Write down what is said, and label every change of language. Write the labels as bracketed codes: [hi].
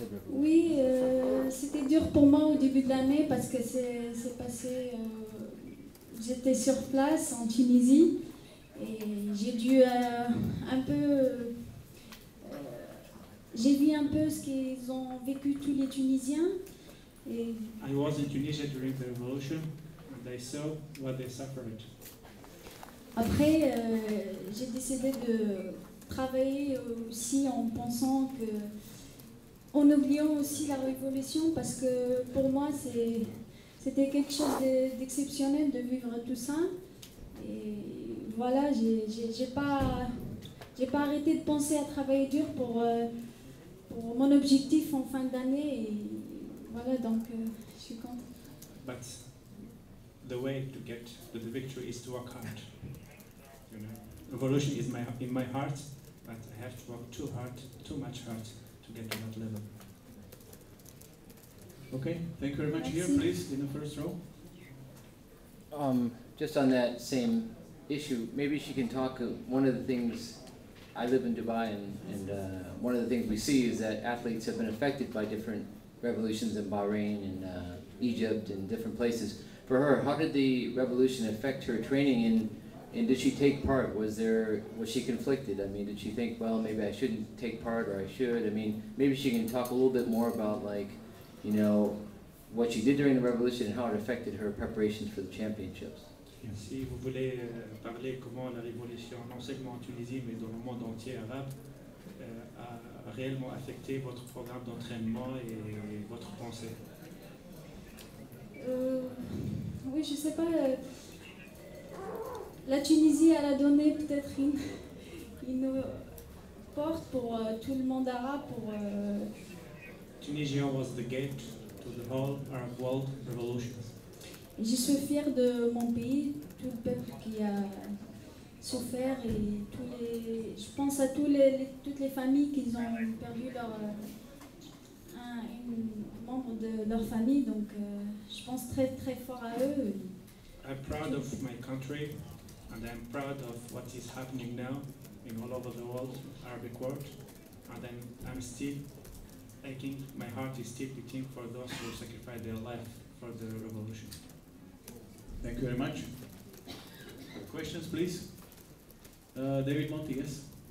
[fr] Oui, c'était dur pour moi au début de l'année parce que c'est passé. J'étais sur place en Tunisie et j'ai dû un peu. J'ai vu un peu ce qu'ils ont vécu tous les Tunisiens. [en] I was in Tunisia during the revolution and I saw what they suffered. [fr] Après, j'ai décidé de travailler aussi en pensant que. En oubliant aussi la révolution, parce que pour moi, c'était quelque chose d'exceptionnel de vivre tout ça. Et voilà, j'ai pas arrêté de penser à travailler dur pour mon objectif en fin d'année. Et voilà, donc je suis contente. [en] But the way to get to the victory is to work hard. You know, revolution is in my heart, but I have to work too hard, too much hard. Okay, thank you very much. Here, please, in the first row. Just on that same issue, maybe she can talk. One of the things, I live in Dubai, and one of the things we see is that athletes have been affected by different revolutions in Bahrain and Egypt and different places. For her, how did the revolution affect her training, and did she take part? Was she conflicted? I mean, did she think, well, maybe I shouldn't take part or I should? I mean, maybe she can talk a little bit more about, like, you know, what she did during the revolution and how it affected her preparations for the championships. [fr] Si vous voulez parler comment la révolution, non seulement en Tunisie, mais dans le monde entier arabe, a réellement affecté votre programme d'entraînement et votre pensée. Oui, je sais pas. La Tunisie, elle a donné peut-être une porte pour tout le monde arabe, pour... [en] Tunisia was the gate to the whole Arab world revolution. [fr] Je suis fière de mon pays, tout le peuple qui a souffert et tous les. Je pense à toutes les familles qui ont perdu leur une membre de leur famille. Donc, je pense très très fort à eux. [en] I'm proud of my country, and I'm proud of what is happening now in all over the world, Arabic world, and I'm still aching. My heart is still beating for those who sacrificed their life for the revolution. Thank you very much. Questions, please. David Monti, yes.